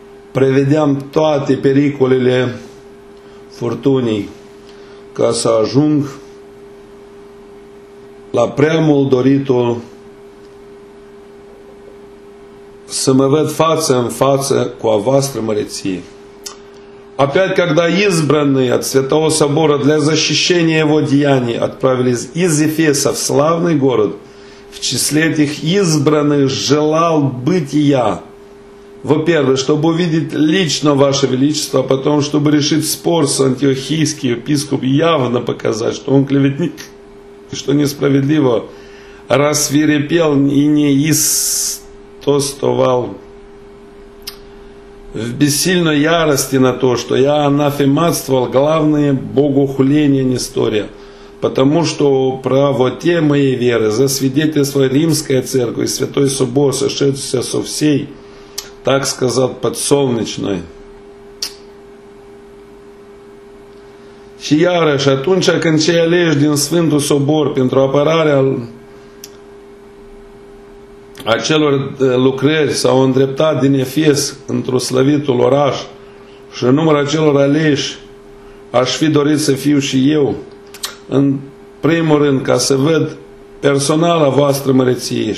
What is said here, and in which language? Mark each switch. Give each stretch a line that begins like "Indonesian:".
Romanian: Prevedeam toate pericolele furtunii ca să ajung la preamul doritul să mă văd față în față cu a voastră măreție.
Russian: Опять, когда избранные от Святого Собора для защищения его деяний отправились из Ефеса в славный город, в числе этих избранных желал быть и я. Во-первых, чтобы увидеть лично ваше величество, а потом, чтобы решить спор с антиохийским епископом, явно показать, что он клеветник, и что несправедливо рассвирепел и не истостовал в бессильной ярости на то, что я анафематствовал главное богохуление Нестория, потому что правоте моей веры за свидетельство Римской Церкви и Святой Собор, сошедшийся со всей, так сказать, подсолнечной.
Romanian: Și iarăși, atunci când cei aleși din Sfântul Sobor pentru apărarea acelor lucrări s-au îndreptat din Efes într-un slăvitul oraș și în numărul acelor aleși aș fi dorit să fiu și eu, în primul rând, ca să văd personala voastră măreție.